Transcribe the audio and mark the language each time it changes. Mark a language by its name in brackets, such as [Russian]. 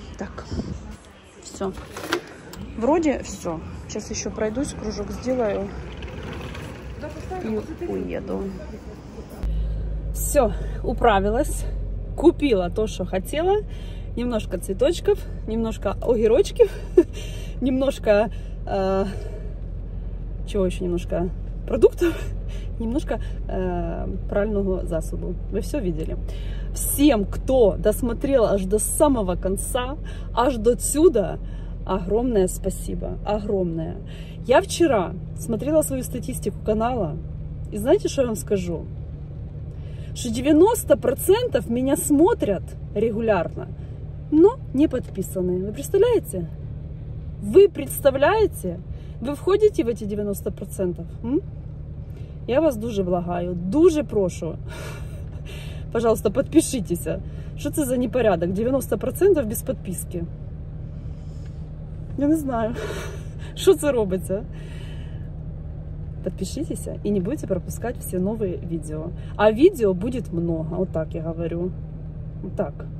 [Russian] Так, все. Вроді все. [Ukrainian] Зараз ще пройдусь, кружок зроблю і уїду. [Russian] Все, управилась. Купила то, что хотела. Немножко цветочков, немножко огурочков. немножко... чего еще немножко? Продуктов? Немножко [Ukrainian] прального засобу. [Russian] Вы все видели. Всем, кто досмотрел аж до самого конца, аж до сюда, огромное спасибо. Огромное. Я вчера смотрела свою статистику канала. И знаете, что я вам скажу? Что 90% меня смотрят регулярно, но не подписаны. Вы представляете? Вы представляете? Вы входите в эти 90%? М? [Ukrainian] Я вас дуже благаю, дуже прошу. [Russian] Пожалуйста, подпишитесь. Что это за непорядок? 90% без подписки. Я не знаю, что это робиться. Подпишитесь и не будете пропускать все новые видео. А видео будет много, вот так я говорю. Вот так.